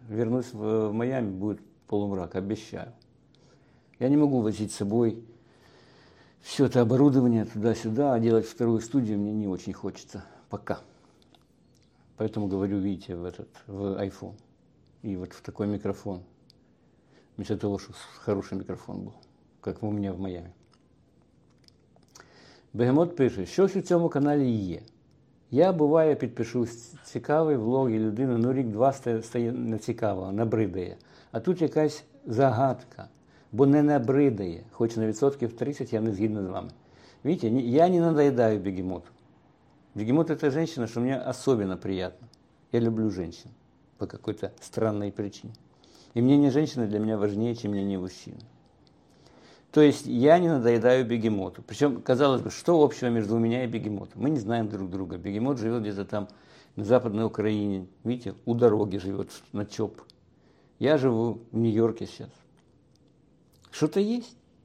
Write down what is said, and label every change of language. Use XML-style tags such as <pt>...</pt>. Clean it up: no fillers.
<ru>Вернусь в Майами, будет полумрак, обещаю. Я не могу возить с собой все это оборудование туда-сюда, а делать вторую студию мне не очень хочется пока. Поэтому говорю, видите, в iPhone и вот в такой микрофон. Вместо того, чтобы хороший микрофон был, как у меня в Майами.</ru> <uk>Бегемот пише, що ж у цьому каналі є? Я буваю, підпишусь, цікавий влог і людина, ну рік-два стає нецікаво, набридає. А тут якась загадка, бо не набридає, хоч на відсотків 30 я не згідна з вами. Видите, я не надоїдаю Бегемоту. Бегемот – це жінка, що мені особливо приємно. Я люблю жінку по якійсь странній причині. І мнення жінки для мене важніше, ніж мнення мужчин.</uk> <ru>То есть я не надоедаю Бегемоту. Причем, казалось бы, что общего между у меня и Бегемотом? Мы не знаем друг друга. Бегемот живет где-то там, на Западной Украине. Видите, у дороги живет, на ЧОП. Я живу в Нью-Йорке сейчас. Что-то есть.</ru>